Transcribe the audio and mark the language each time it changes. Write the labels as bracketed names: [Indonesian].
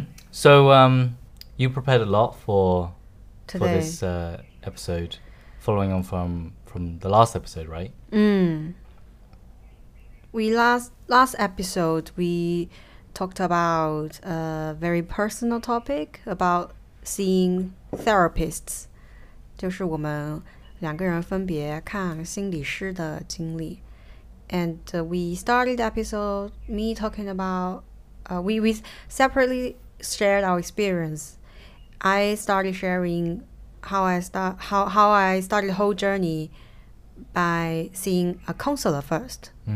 [English] So, you prepared a lot for this episode, following on from the last episode, right? We last episode, we talked about a very personal topic about seeing therapists. [Chinese] 就是我们两个人分别看心理师的经历。 [English] And we started the episode, me talking about, we separately shared our experience. I started sharing how I started the whole journey by seeing a counselor first.